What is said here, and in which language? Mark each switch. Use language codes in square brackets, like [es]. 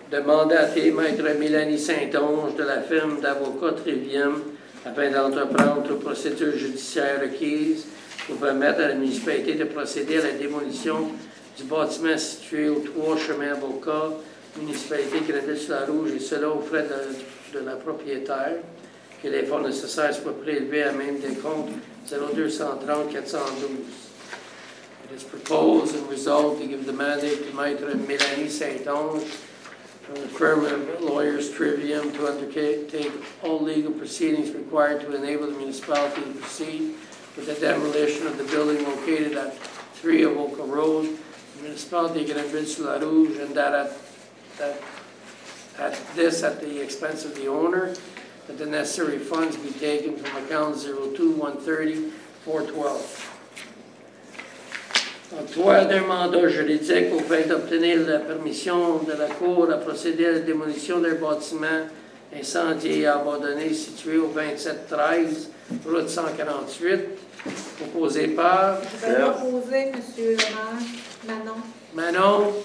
[fr] De mandater Maître Mélanie Saint-Onge de la firme d'avocats Trivium afin d'entreprendre les procédures judiciaires requises pour permettre à la municipalité de procéder à la démolition du bâtiment situé au 3 chemin Avocat, municipalité Grenville-sur-la-Rouge, et cela aux frais de la propriétaire, que les fonds nécessaires soient prélevés à même des comptes 02-130-412. [en] It is proposed and resolved to give the mandate to Maître Mélanie Saint-Onge from the firm of lawyers Trivium to undertake all legal proceedings required to enable the municipality to proceed with the demolition of the building located at 3 Avocat Road, municipality Grenville-sur-la-Rouge, and at the expense of the owner, that the necessary funds be taken from account 02-130-412. [fr] En trois, mandat juridique au fin d'obtenir la permission de la Cour à procéder à la démolition d'un bâtiment incendié et abandonné situé au 2713, route 148, proposé par... Je vais proposer, M. le maire. Manon,